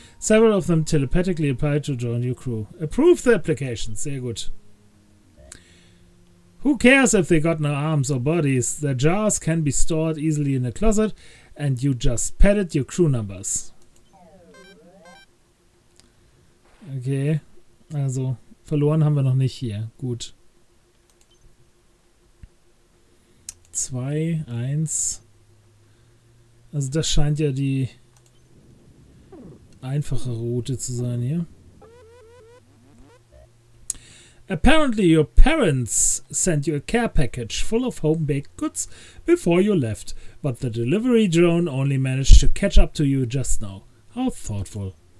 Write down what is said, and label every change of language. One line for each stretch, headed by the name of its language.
English: Several of them telepathically apply to join your crew. Approve the application.
German: Sehr gut.
English: Who cares if they got no arms or bodies? Their jars can be stored easily in a closet, and you just padded your crew numbers.
German: Okay, also verloren haben wir noch nicht hier. Gut. 2, 1. Also das scheint ja die einfache Route zu sein hier.
English: Apparently your parents sent you a care package full of home-baked goods before you left, but the delivery drone only managed to catch up to you just now. How thoughtful.